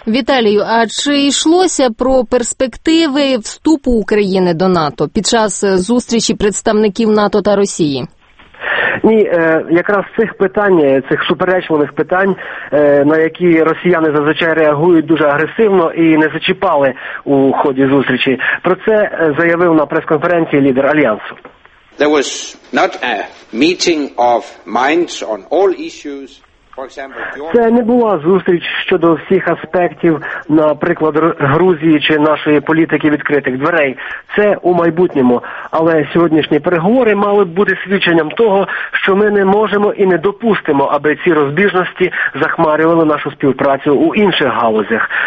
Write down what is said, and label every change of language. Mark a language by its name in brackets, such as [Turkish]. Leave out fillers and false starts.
[Ukrainian] Віталію, а чи йшлося про перспективи вступу України до НАТО під час зустрічі представників НАТО та Росії? Ні, якраз цих питань, цих суперечливих питань, на які росіяни зазвичай реагують дуже агресивно, і не зачіпали у ході зустрічі. Про це заявив на прес-конференції лідер Альянсу. [English] There was not a meeting of minds on all issues. [Ukrainian] Це не була зустріч щодо всіх аспектів, наприклад, Грузії чи нашої політики відкритих дверей. Це у майбутньому. Але сьогоднішні переговори мали б бути свідченням того, що ми не можемо і не допустимо, аби ці розбіжності захмарювали нашу співпрацю у інших галузях.